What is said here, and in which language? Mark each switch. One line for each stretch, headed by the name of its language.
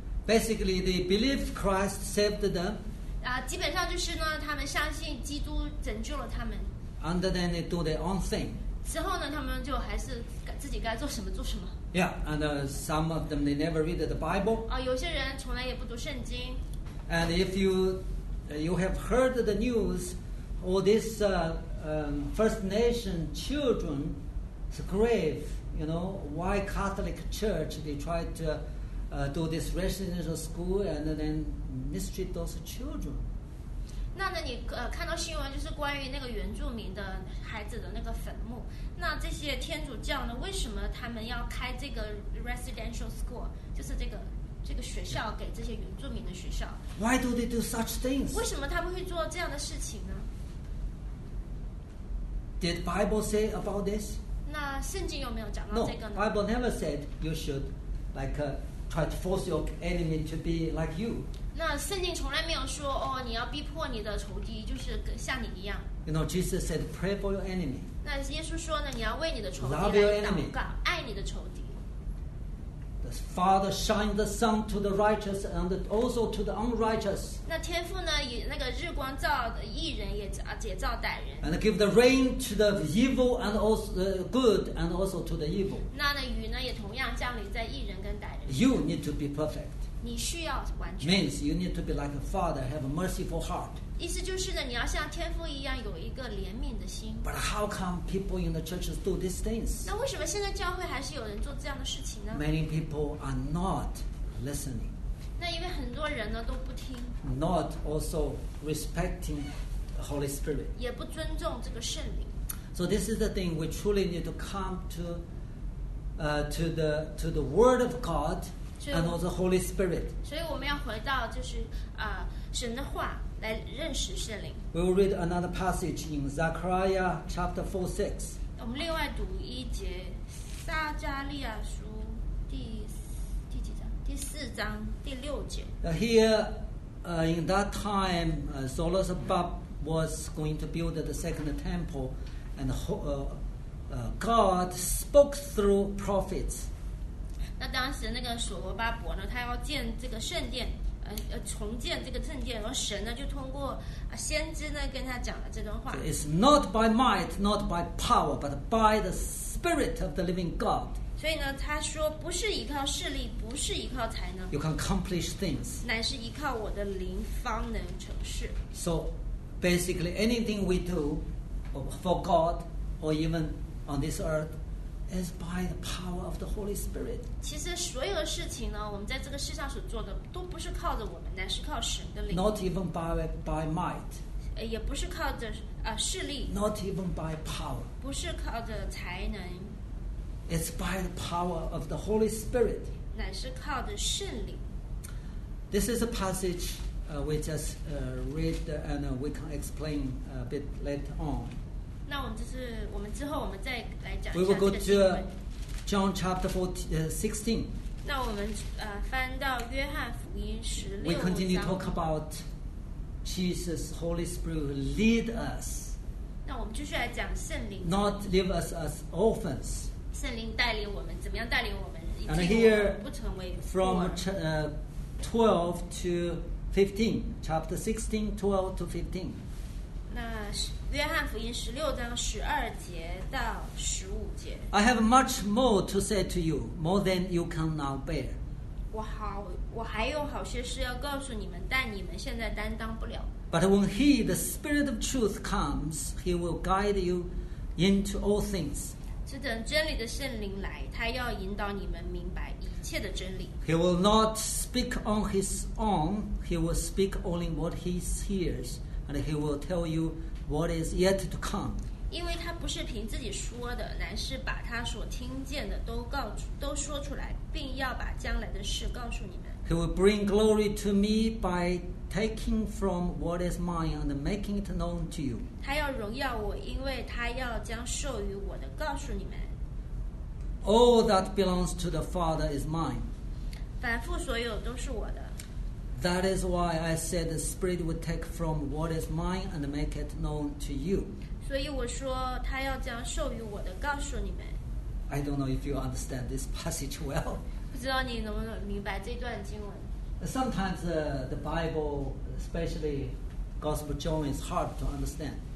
English: Basically, they believe Christ saved them.
Chinese: 基本上就是呢，他们相信基督拯救了他们。
English: And then they do their own thing.
Chinese: 之后呢，他们就还是自己该做什么做什么。
English: Yeah, and some of them they never read the Bible.
Chinese: 有些人从来也不读圣经。
English: And if you have heard the news, all these First Nation children's grave, you know, why Catholic Church they try to. Do this residential school and then mistreat those children.
Chinese: 那呢你看到新闻就是关于那个原住民的孩子的那个坟墓，那这些天主教呢，为什么他们要开这个 residential school， 就是这个学校给这些原住民的学校？
English: Why do they do such things?
Chinese: 为什么他们会做这样的事情呢？
English: Did Bible say about this?
Chinese: 那圣经有没有讲到这个呢？
English: No, Bible never said you should like try to force your enemy to be like you.
Chinese: 那圣经从来没有说哦，你要逼迫你的仇敌就是像你一样。
English: You know, Jesus said, "Pray for your enemy."
Chinese: 那耶稣说呢，你要为你的仇敌来祷告，
English: Love your enemy.
Chinese: 爱你的仇敌。
English: The Father shines the sun to the righteous and also to the unrighteous.
Chinese: 那天父呢，以那个日光照义人，也照歹人。
English: And give the rain to the evil and also the good and also to the evil.
Chinese: 那呢，雨呢也同样降临在义人跟歹人。
English: You need to be perfect.
Chinese: 你需要完全。
English: Means you need to be like a father, have a merciful heart.
Chinese: 意思就是呢，你要像天父一样有一个怜悯的心。
English: But how come people in the churches do these things?
Chinese: 那为什么现在教会还是有人做这样的事情呢？
English: Many people are not listening.
Chinese: 那因为很多人呢都不听。
English: Not also respecting the Holy Spirit.
Chinese: 也不尊重这个圣灵。
English: So this is the thing we truly need to come to the Word of God and also the Holy Spirit.
Chinese: 所以我们要回到就是神的话。来认识圣灵。
English: We will read another passage in Zechariah chapter 4:6.
Chinese: 我们另外读一节撒迦利亚书第几章？第四章第六节。
English: Here, in that time, Zerubbabel was going to build the second temple, and God spoke through prophets.
Chinese: 那当时那个所罗巴伯呢，他要建这个圣殿，重建这个圣殿，然后神呢就通过先知呢跟他讲了这段话。
English: It's not by might, not by power, but by the Spirit of the Living God.
Chinese: 所以呢，他说不是依靠势力，不是依靠才能。
English: You can accomplish things.
Chinese: 乃是依靠我的灵方能成事。
English: So basically, anything we do for God or even on this earth. Is by the power of the Holy Spirit.
Chinese: 其实所有的事情呢，我们在这个世上所做的，都不是靠着我们，乃是靠神的灵。
English: Not even by might.
Chinese: 也不是靠着势力。
English: Not even by power.
Chinese: 不是靠着才能。
English: It's by the power of the Holy Spirit.
Chinese: 乃是靠着圣灵。
English: This is a passage we just read and we can explain a bit later on.
Chinese: 那我们就是我们之后我们再来讲一下这个经文。
English: We will go to John chapter 16.
Chinese: 那我们翻到约翰福音十六章。
English: We continue talk about Jesus Holy Spirit lead us.
Chinese: 那我们继续来讲圣灵。
English: Not leave us as orphans.
Chinese: 圣灵带领我们，怎么样带领我们？
English: And here
Chinese: 不成为
English: from 12 to 15, chapter 16, 12 to 15.
Chinese: 那是。约翰福音十六章十二节到十五节。
English: I have much more to say to you, more than you can now bear.
Chinese: 我还有好些事要告诉你们，但你们现在担当不了。
English: But when he, the Spirit of Truth, comes, he will guide you into all things.
Chinese: 只等真理的圣灵来，他要引导你们明白一切的真理。
English: He will not speak on his own. He will speak only what he hears, and he will tell you. What is yet to come?
Chinese: 因为他不是凭自己说的，乃是把他所听见的都说出来，并要把将来的事告诉你们。
English: He will bring glory to me by taking from what is mine and making it known to you.
Chinese: 他要荣耀我，因为他要将授予我的告诉你们。
English: All that belongs to the Father is mine.
Chinese: 凡父所有都是我的。
English: That is why I said the Spirit would take from what is mine and make it known to you.
Chinese: 所以我说他要将授予我的告诉你们。
English: I don't know if you understand this passage well.
Chinese: 不知道你能不能明白这段经文。
English: Sometimes the Bible, especially Gospel John, is hard to understand.